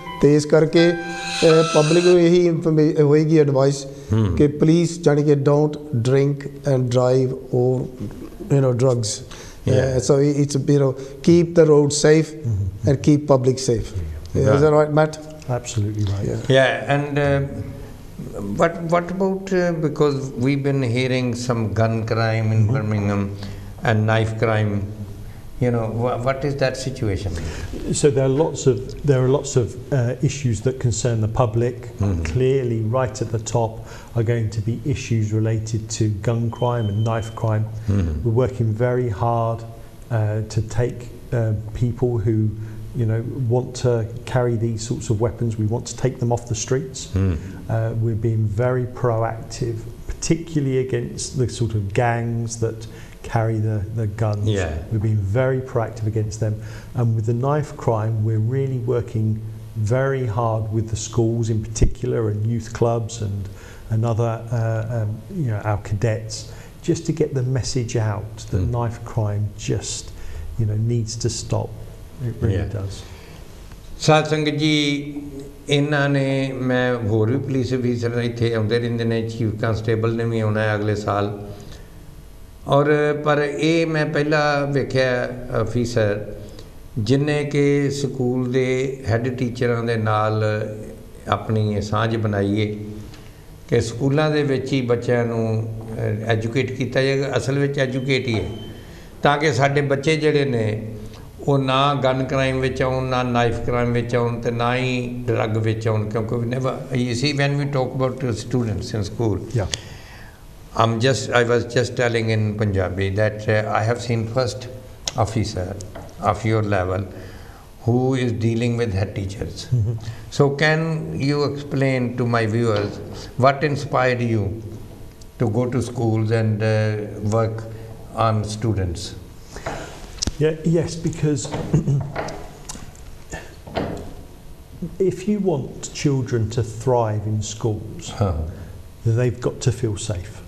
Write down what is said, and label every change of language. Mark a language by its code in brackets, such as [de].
[pa] ਅਤੇ ਇਸ ਕਰਕੇ ਪਬਲਿਕ ਨੂੰ ਇਹੀ ਇਨਫੋਰਮੇ ਹੋਏਗੀ ਐਡਵਾਈਸ ਕਿ [en] Please ਯਾਨੀ ਕਿ don't drink and drive or drugs, so it's keep the road safe and keep public safe. Matt Absolutely right. Yeah, and what about because we've been hearing some gun crime in Birmingham and knife crime You know, what is that situation? So there are lots of issues that concern the public. Mm-hmm. Clearly, right at the top are going to be issues related to gun crime and knife crime. Mm-hmm. We're working very hard to take people who, you know, want to carry these sorts of weapons. We want to take them off the streets. Mm. We're being very proactive, particularly against the sort of gangs that carry the guns. Yeah. We've been very proactive against them. And with the knife crime, we're really working very hard with the schools in particular, and youth clubs and other, you know, our cadets, just to get the message out that knife crime just, you know, needs to stop. It really does. [pa] Satsang ji, ਇਹਨਾਂ ਨੇ ਮੈਂ ਹੋਰ ਵੀ police officer ਇੱਥੇ ਆਉਂਦੇ ਰਹਿੰਦੇ ਨੇ, chief constable ਨੇ ਵੀ ਆਉਣਾ ਅਗਲੇ ਸਾਲ, ਔਰ ਪਰ ਇਹ ਮੈਂ ਪਹਿਲਾਂ ਵੇਖਿਆ ਅਫੀਸਰ ਜਿਹਨੇ ਕਿ ਸਕੂਲ ਦੇ ਹੈੱਡ ਟੀਚਰਾਂ ਦੇ ਨਾਲ ਆਪਣੀ ਸਾਂਝ ਬਣਾਈ ਹੈ ਕਿ ਸਕੂਲਾਂ ਦੇ ਵਿੱਚ ਹੀ ਬੱਚਿਆਂ ਨੂੰ ਐਜੂਕੇਟ ਕੀਤਾ ਜਾਏਗਾ, ਅਸਲ ਵਿੱਚ ਐਜੂਕੇਟ ਹੀ ਹੈ, ਤਾਂ ਕਿ ਸਾਡੇ ਬੱਚੇ ਜਿਹੜੇ ਨੇ ਉਹ ਨਾ ਗਨ ਕ੍ਰਾਈਮ ਵਿੱਚ ਆਉਣ, ਨਾ ਨਾਈਫ ਕ੍ਰਾਈਮ ਵਿੱਚ ਆਉਣ, ਅਤੇ ਨਾ ਹੀ ਡਰੱਗ ਵਿੱਚ ਆਉਣ, ਕਿਉਂਕਿ [en] See when we talk about students in school, I was just telling in Punjabi that I have seen first officer of your level who is dealing with head teachers. Mm-hmm. So can you explain to my viewers what inspired you to go to schools and work on students? Yes, because if you want children to thrive in schools, they've got to feel safe.